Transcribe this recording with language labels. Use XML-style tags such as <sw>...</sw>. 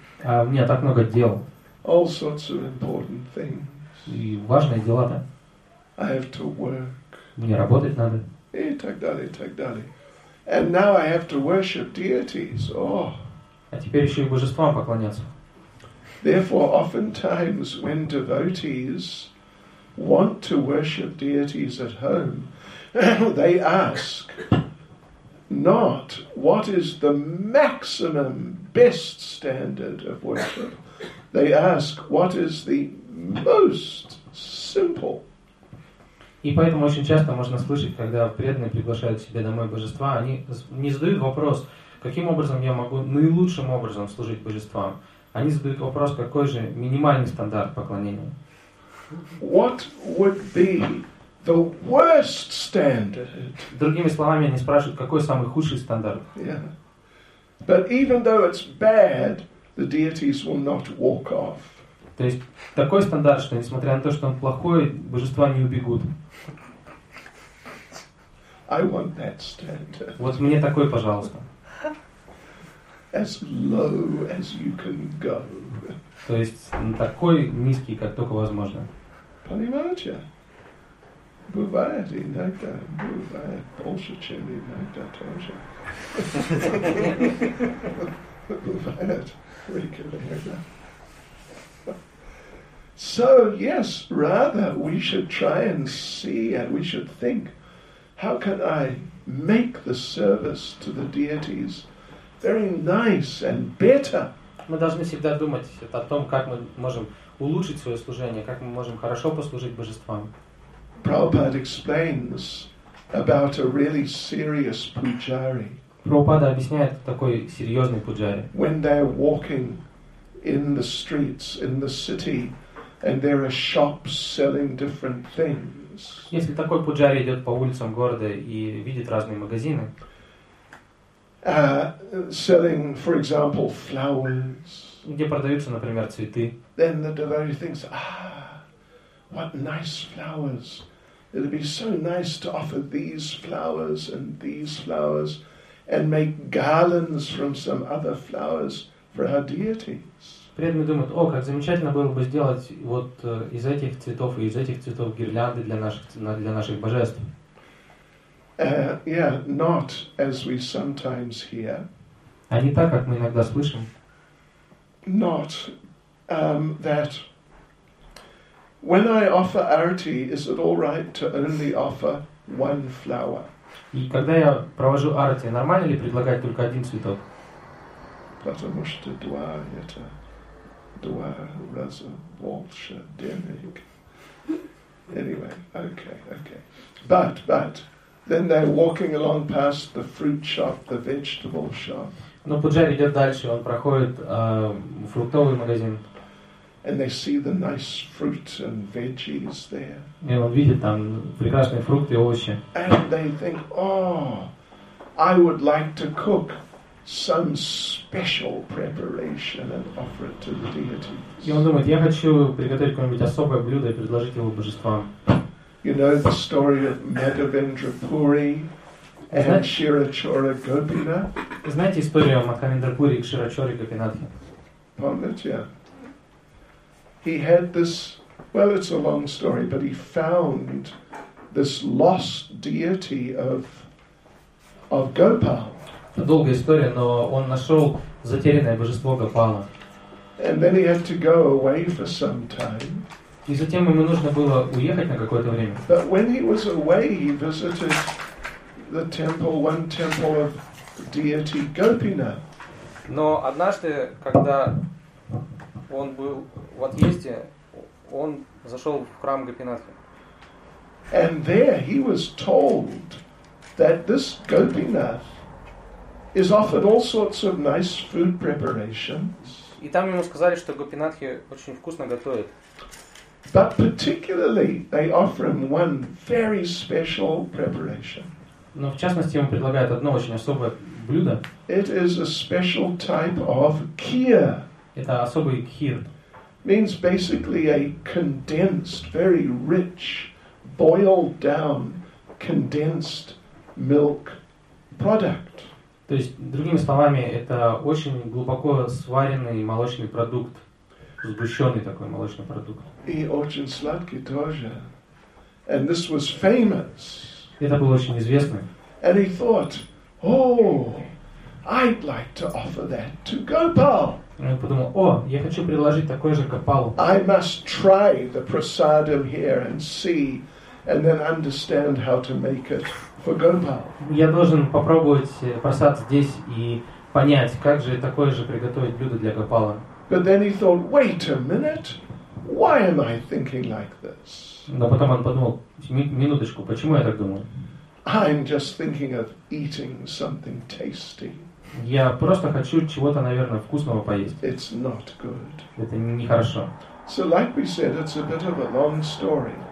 <ru>А у меня так много дел.</ru> <en>All sorts of important things.</en> <ru>И важные дела, да?</ru> <en>I have to work.</en> <ru>Мне работать надо. И так далее, и так далее.</ru> <en>And now I have to worship deities. Oh.</en> <ru>А теперь еще и божествам поклоняться.</ru> <en>Therefore, oftentimes when devotees want to worship deities at home, they ask not what is the maximum best standard of worship. They ask what is the most simple.</en> <ru>И поэтому очень часто можно слышать, когда преданные приглашают к себе домой божества, они не задают вопрос, каким образом я могу наилучшим образом служить божествам. Они задают вопрос, какой же минимальный стандарт поклонения.</ru> <en>What would be the worst standard?</en> <ru>Другими словами, они спрашивают, какой самый худший стандарт.</ru> <en>Yeah. But even though it's bad, the deities will not walk off.</en> <ru>То есть такой стандарт, что несмотря на то, что он плохой, божества не убегут.</ru> <en>I want that standard.</en> <ru>Вот мне такой, пожалуйста.</ru> <en>As low as you can go.</en> <ru>То есть такой низкий, как только возможно. Понимаете? Бывает иногда, бывает больше, чем иногда тоже. Бывает регулярно.</ru> <en>So, yes, rather, we should try and see, and we should think, how can I make the service to the deities very nice and better?</en> <ru>Мы должны всегда думать о том, как мы можем улучшить свое служение, как мы можем хорошо послужить божествам.</ru> <en>Prabhupada explains about a really serious pujari.</en> <ru>Прабхупада объясняет такой серьезный пуджари.</ru> <en>When they're walking in the streets in the city, and there are shops selling different things.</en> <ru>Если такой пуджари идет по улицам города и видит разные магазины.</ru> <en>Selling, for example, flowers.</en> <ru>Где продаются, например, цветы.</ru> <en>Then the devotee thinks, what nice flowers. It would be so nice to offer these flowers and make garlands from some other flowers for our deities.</en> <ru>Преданные думают, о, как замечательно было бы сделать вот из этих цветов и из этих цветов гирлянды для наших божеств.</ru> <en>Yeah, not as we sometimes hear.</en> <ru>А не так, как мы иногда слышим.</ru> <en>Not that when I offer arati, is it all right to only offer one flower?</en> <ru>И когда я провожу арати, нормально ли предлагать только один цветок? Потому что два это два раза больше денег.</ru> <en>Anyway, okay. But then they're walking along past the fruit shop, the vegetable shop.</en> <ru>Но Пуджари идет дальше, он проходит фруктовый магазин.</ru> <en>And they see the nice fruit and veggies there.</en> <ru>И он видит там прекрасные фрукты и овощи.</ru> <en>And they think, oh, I would like to cook some special preparation and offer it to the deity.</en> <ru>И он думает, я хочу приготовить какое-нибудь особое блюдо и предложить его божествам.</ru> <en>You know the story of Madhavendra Puri and Shirachora Gopinath?</en> <ru>Знаете историю о Мадхавендра Пури и Кширачоре Гопинатхе? Помните?</ru> <en>He had this, well, it's a long story, but he found this lost deity of Gopal.</en> <ru>Долгая история, но он нашел затерянное божество Гопала.</ru> <en>And then he had to go away for some time.</en> <ru>И затем ему нужно было уехать на какое-то время.</ru> <en>But when he was away, he visited the temple, one temple of deity Gopinath.</en> <ru>Но однажды, когда он был в отъезде, он зашел в храм Гопинатхи.</ru> <en>And there he was told that this Gopinath is offered all sorts of nice food preparations.</en> <ru>И там ему сказали, что Гопинатхи очень вкусно готовит.</ru> <en>But particularly they offer him one very special preparation.</en> <ru>Но в частности ему предлагают одно очень особое блюдо.</ru> <en>It is a special type of kheer.</en> <ru>Это особый кхир.</ru> <en>Means basically a condensed, very rich, boiled down, condensed milk product.</en> <ru>То есть, другими словами, это очень глубоко сваренный молочный продукт, сгущенный такой молочный продукт. И очень сладкий тоже.</ru> <en>And this was famous.</en> <ru>Это было очень известно.</ru> <en>And he thought, oh, I'd like to offer that to Gopal.</en> <ru>Я подумал, о, я хочу предложить такой же Гопалу.</ru> <en>I must try the prasadam here and see, and then understand how to make it for Gopal.</en> <ru>Я должен попробовать просад здесь и понять, как же такое же приготовить блюдо для Гопала.</ru> <en>But then he thought, wait a minute, why am I thinking like this?</en> <ru>Но потом он подумал, минуточку, почему я так думаю?</ru> <en>I'm just thinking of eating something tasty.</en> <ru>Я просто хочу чего-то, наверное, вкусного поесть.</ru> <en>It's not good.</en> <ru>Это нехорошо.</ru> <en>So, like we said, it's a bit of a long story.</en>